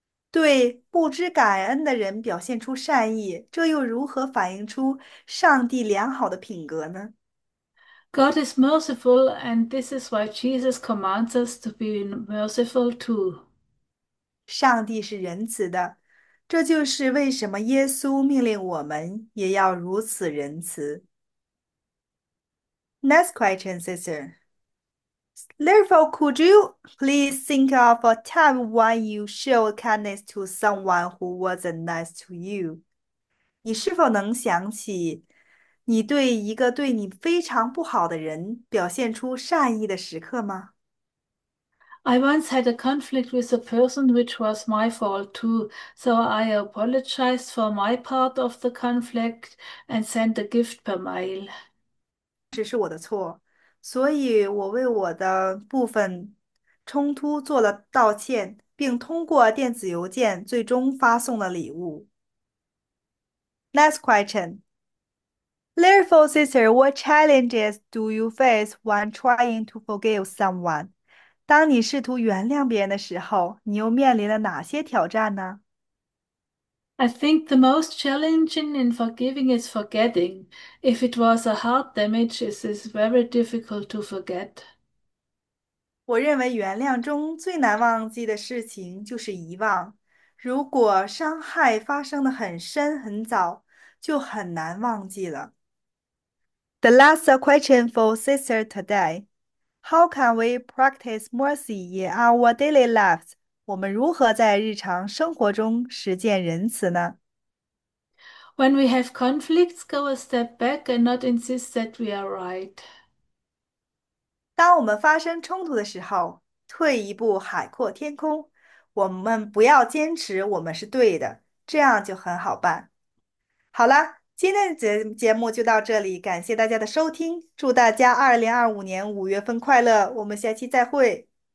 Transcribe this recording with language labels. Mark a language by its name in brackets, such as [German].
[Chinese] 对不知感恩的人表现出善意，这又如何反映出上帝良好的品格呢？ [English] God is merciful, and this is why Jesus commands us to be merciful too. [Chinese] 上帝是仁慈的，这就是为什么耶稣命令我们也要如此仁慈。 [English] Next question, sister. Therefore, could you please think of a time when you showed kindness to someone who wasn't nice to you? [Chinese] 你是否能想起你对一个对你非常不好的人表现出善意的时刻吗？ [English] I once had a conflict with a person which was my fault too, so I apologized for my part of the conflict and sent a gift per mail. [Chinese] 这是我的错，所以我为我的部分冲突做了道歉，并通过电子邮件最终发送了礼物。 [English] Next question. Therefore, sister, what challenges do you face when trying to forgive someone? [Chinese] 当你试图原谅别人的时候，你又面临了哪些挑战呢？ [English] I think the most challenging in forgiving is forgetting. If it was a heart damage, it is very difficult to forget. [Chinese] 我认为原谅中最难忘记的事情就是遗忘。如果伤害发生得很深很早，就很难忘记了。 [English] The last question for sister today. How can we practice mercy in our daily lives? [Chinese] 我们如何在日常生活中实践仁慈呢？ [English] When we have conflicts, go a step back and not insist that we are right. [Chinese] 当我们发生冲突的时候，退一步，海阔天空。我们不要坚持我们是对的，这样就很好办。好了，今天的节目就到这里，感谢大家的收听，祝大家2025年5月份快乐，我们下期再会。